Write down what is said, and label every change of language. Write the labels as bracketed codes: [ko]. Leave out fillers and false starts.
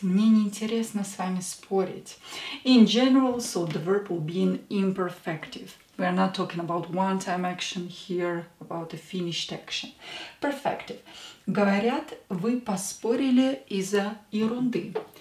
[ru] Мне не интересно с вами спорить. [en] In general, so the verb will be in imperfective. We are not talking about one-time action here, about a finished action. Perfective. [ru] Говорят, вы поспорили из-за ерунды.